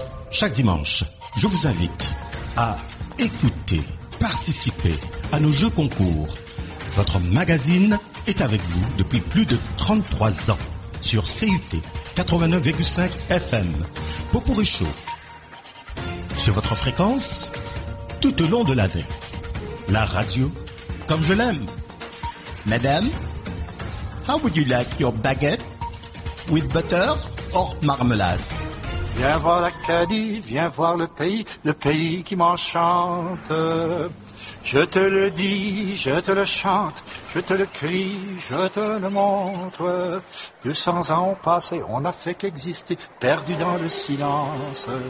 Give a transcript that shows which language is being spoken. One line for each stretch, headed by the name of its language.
French: Chaque dimanche, je vous invite à écouter, participer à nos jeux concours. Votre magazine est avec vous depuis plus de 33 ans sur CUT 89,5 FM. Popourri Show, sur votre fréquence, tout au long de l'année. La radio, comme je l'aime.
English: Madame, how would you like your baguette with butter or marmelade?
French: Viens voir l'Acadie, viens voir le pays qui m'enchante. Je te le dis, je te le chante, je te le crie, je te le montre. 200 ans ont passé, on n'a fait qu'exister, perdu dans le silence.